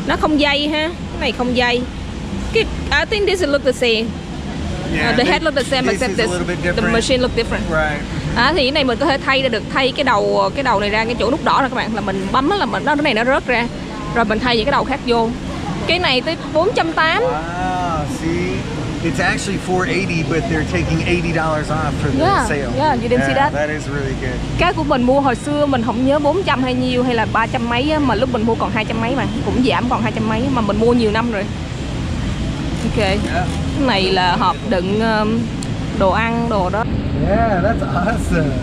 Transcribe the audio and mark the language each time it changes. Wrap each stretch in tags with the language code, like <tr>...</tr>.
<vi>Nó không dây ha. Này không dây.</vi> <en>I think this look the same. Yeah, the head look the same, this except this, the machine look different. Right.</en> <vi>Thì cái này mình có thể thay được, thay cái đầu này ra, cái chỗ nút đỏ ra các bạn. Là mình bấm là mình nó cái này nó rớt ra. Rồi mình thay những cái đầu khác vô. Cái này tới 480.</vi> <en>Wow, see? It's actually 480, but they're taking $80 off for the sale. Yeah, you didn't see that? That is really good.</en> <vi>Cái của mình mua hồi xưa mình không nhớ 400 hay nhiêu hay là 300 mấy á, mà lúc mình mua còn 200 mấy mà. Cũng giảm còn 200 mấy mà mình mua nhiều năm rồi.</vi> <en>Ok. Yeah.</en> <vi>Cái này là hộp đựng đồ ăn, đồ đó.</vi> <en>Yeah, that's awesome.</en>